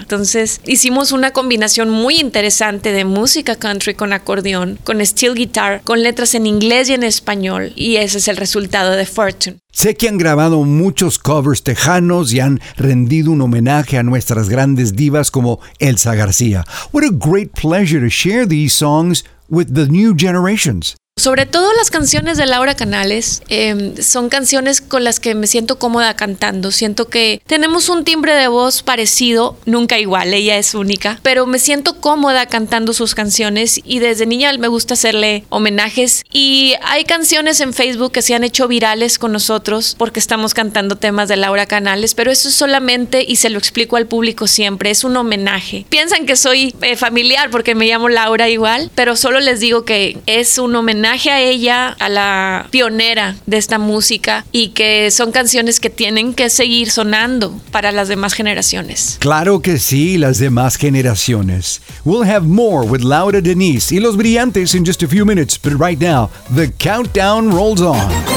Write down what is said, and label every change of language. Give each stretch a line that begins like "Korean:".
Spanish: Entonces hicimos una combinación muy interesante de música country con acordeón, con steel guitar, con letras en inglés y en español. Y ese es el resultado de Fortune. Sé que han grabado muchos covers tejanos y han rendido un homenaje a nuestras grandes divas como Elsa García.
English: What a great pleasure to share these songs with the new generations.
Spanish: Sobre todo las canciones de Laura Canales son canciones con las que me siento cómoda cantando. Siento que tenemos un timbre de voz parecido, nunca igual, ella es única, pero me siento cómoda cantando sus canciones y desde niña me gusta hacerle homenajes. Y hay canciones en Facebook que se han hecho virales con nosotros porque estamos cantando temas de Laura Canales, pero eso es solamente, y se lo explico al público siempre, es un homenaje. Piensan que soy familiar porque me llamo Laura igual, pero solo les digo que es un homenaje. homenaje a ella, a la pionera de esta música, y que son canciones que tienen que seguir sonando para las demás generaciones. Claro que sí, las demás generaciones.
English: We'll have more with Laura Denise y Los Brillantes in just a few minutes, but right now, the countdown rolls on.